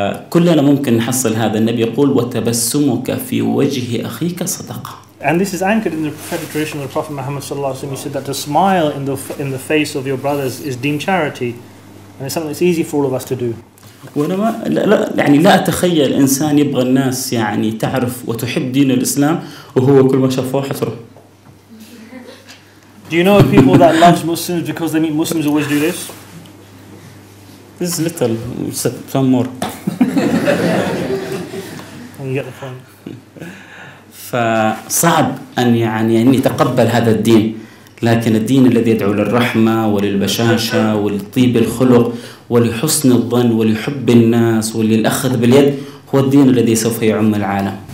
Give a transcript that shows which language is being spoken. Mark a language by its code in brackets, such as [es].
[ar] كلنا ممكن نحصل هذا النبي يقول وتبسمك في وجه أخيك صدقة. [en] And this is anchored in the prophetic tradition of the Prophet Muhammad [ar] صلى الله عليه وسلم. [en] He said that to smile in the face of your brothers is deemed charity, and it's something that's easy for all of us to do. [ar] وأنا ما لا يعني لا أتخيل إنسان يبغى الناس يعني تعرف وتحب دين الإسلام وهو كل ما شاف واحد يروح. [en] Do you know of people that love Muslims because they meet Muslims always do this? This is little, some more. And you get the point. [ar] فصعب أن يعني أن يتقبل هذا الدين، لكن الدين الذي يدعو للرحمة وللبشاشة ولطيب الخلق ولحسن الظن ولحب الناس وللأخذ باليد هو الدين الذي سوف يعم العالم.